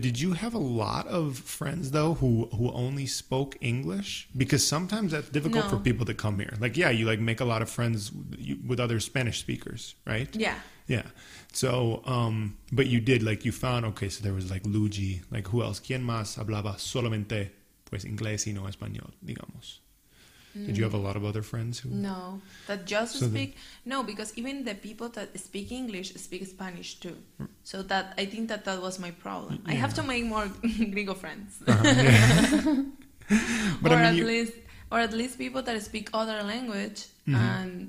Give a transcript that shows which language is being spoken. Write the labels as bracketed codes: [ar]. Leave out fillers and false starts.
[en] Did you have a lot of friends, though, who only spoke English? Because sometimes that's difficult for people to come here. Like, yeah, you, like, make a lot of friends with other Spanish speakers, right? Yeah. Yeah. So, but you did, like, you found, okay, so there was, like, Luigi. Like, who else? [es] ¿Quién más hablaba solamente, pues, inglés y no español, digamos? [en] Did you have a lot of other friends who... No, that just No, because even the people that speak English speak Spanish too. So that I think that that was my problem. Yeah. I have to make more Gringo friends. But or I mean, or at least people that speak other language and...